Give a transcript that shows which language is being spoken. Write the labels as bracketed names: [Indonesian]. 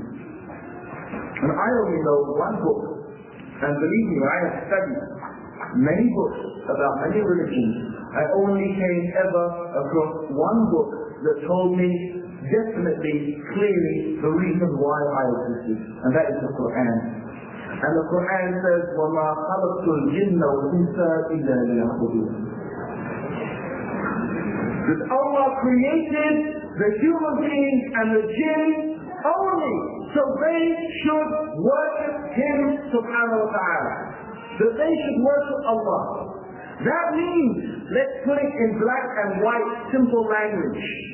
[English] And I only know one book, and believe me, I have studied many books about many religions. I only came ever across one book that told me definitely, clearly, the reason why I existed, and that is the Quran. And the Quran says, [Arabic] وَمَا خَلَقْتُ الْجِنَّ وَالْإِنْسَ إِلَّا لِيَعْبُدُونَ. [English] That Allah created the human beings and the jinn only so they should worship Him subhanahu wa ta'ala. That they should worship Allah. That means, let's put it in black and white, simple language.